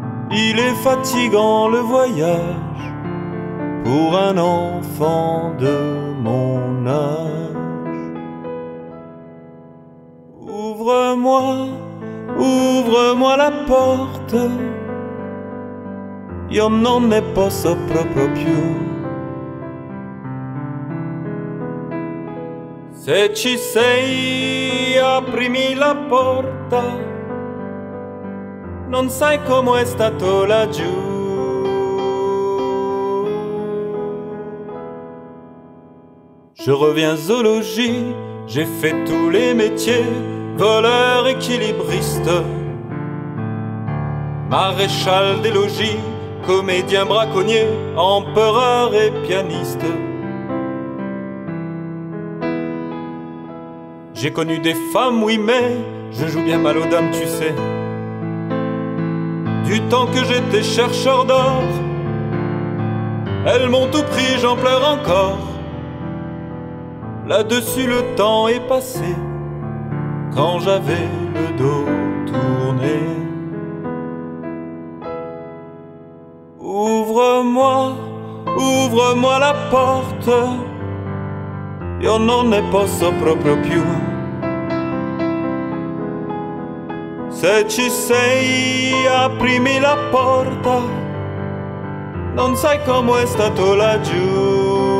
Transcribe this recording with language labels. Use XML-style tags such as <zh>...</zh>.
<fr>Il est fatigant le voyage pour un enfant de mon âge. Ouvre-moi, ouvre-moi la porte.</fr> <it>Io non ne posso proprio più. Se ci sei, aprimi la porta. Non sai come è stato laggiù.</it> <fr>Je reviens au logis, j'ai fait tous les métiers, voleur équilibriste, maréchal des logis, comédien braconnier, empereur et pianiste. J'ai connu des femmes, oui, mais je joue bien mal aux dames, tu sais. Du temps que j'étais chercheur d'or, elles m'ont tout pris, j'en pleure encore. Là-dessus, le temps est passé, quand j'avais le dos tourné. Ouvre-moi, ouvre-moi la porte.</fr> <it>Io non ne posso proprio più. Se ci sei, aprimi la porta. Non sai come è stato laggiù.</it>